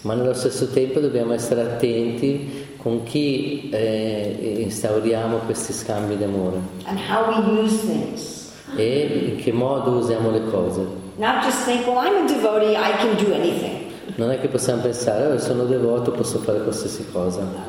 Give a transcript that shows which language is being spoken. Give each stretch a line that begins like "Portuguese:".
Italian: Ma nello stesso tempo dobbiamo essere attenti con chi instauriamo questi scambi d'amore.
English: And how we use things.
Italian: E in che modo usiamo le cose.
English: Not just think, well, I'm a devotee, I can do anything.
Italian: Non è che possiamo pensare, oh, sono devoto, posso fare qualsiasi cosa.